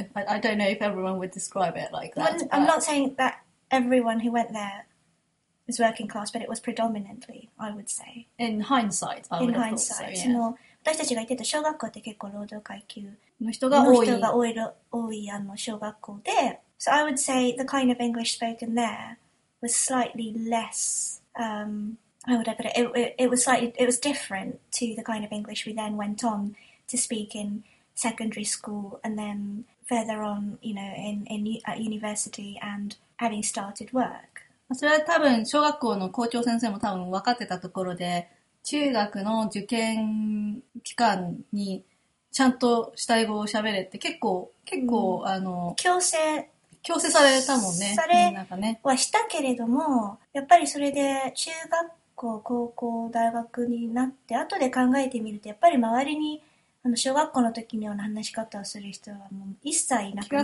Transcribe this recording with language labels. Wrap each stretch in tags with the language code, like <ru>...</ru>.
<en>I don't know if everyone would describe it like that. I'm not saying that everyone who went there was working class, but it was predominantly, I would say. In hindsight, I would have thought so, yeah.</en> <ja>私たちが行ってた小学校って結構労働階級の人が多い。あの小学校で。</ja> <en>So I would say the kind of English spoken there was slightly less... Oh, whatever. It was different to the kind of English we then went on to speak in secondary school and then further on, you know, at university and having started work.</en> <ja>それは多分小学校の校長先生も多分分かってたところで、中学の受験期間にちゃんとした英語を喋れって結構、うん、強制されたもんね。それはしたけれども、やっぱりそれで中学高校大学になって後で考えてみるとやっぱり周りにあの小学校の時のような話し方をする人はもう一切いなくなったから</ja>